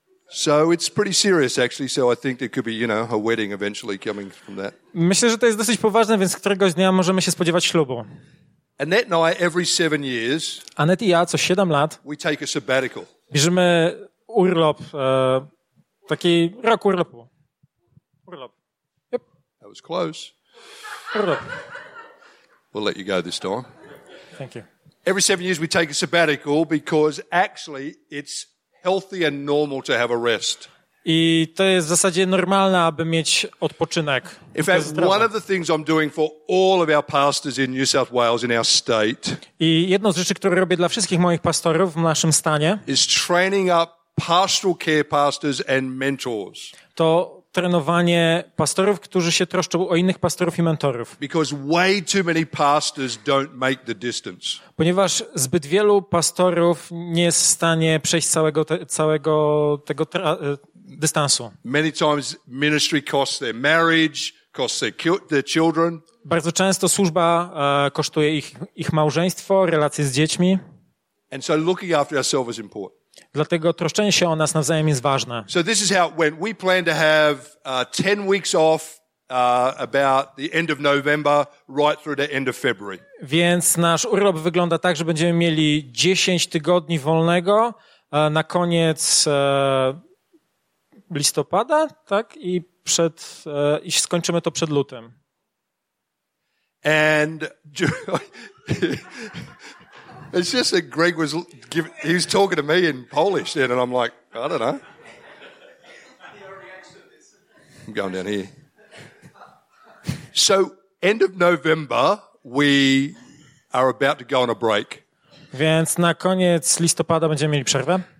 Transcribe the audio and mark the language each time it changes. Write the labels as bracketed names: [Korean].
[English] So it's pretty serious, actually. So I think there could be, you know, a wedding eventually coming from that. [Polish] Myślę, że to jest dosyć poważne, więc któregoś dnia możemy się spodziewać ślubu. [English] Annette and I, every 7 years, [Polish] Annette i ja co 7 lat, [English] we take a sabbatical. [Polish] Bierzemy urlop, taki rok urlopu. Urlop. Yep. [English] That was close. [Polish] Urlop. [English] We'll let you go this time. Thank you. Every 7 years we take a sabbatical because actually it's healthy and normal to have a rest. [Polish] I to jest w zasadzie normalne, aby mieć odpoczynek. [English] In fact, one of the things I'm doing for all of our pastors in New South Wales in our state. [Polish] I jedno z rzeczy, które robię dla wszystkich moich pastorów w naszym stanie, [English] is training up pastoral care pastors and mentors. [Polish] To trenowanie pastorów, którzy się troszczą o innych pastorów i mentorów. [English] Because way too many pastors don't make the distance. [Polish] Ponieważ zbyt wielu pastorów nie jest w stanie przejść całego tego dystansu. [English] Many times ministry costs their marriage, costs their children. [Polish] Bardzo często służba kosztuje ich małżeństwo, relacje z dziećmi. [English] And so looking after ourselves is important. [Polish] Dlatego troszczenie się o nas nawzajem jest ważne. [English] So this is how when we plan to have 10 weeks off about the end of November right through the end of February. [Polish] Więc nasz urlop wygląda tak, że będziemy mieli 10 tygodni wolnego na koniec listopada, tak, i przed i skończymy to przed lutym. [English] And it's just that Greg was he was talking to me in Polish then, and I'm like, I don't know. I'm going down here. So end of November, we are about to go on a break. [Polish] Więc na koniec listopada będziemy mieli przerwę.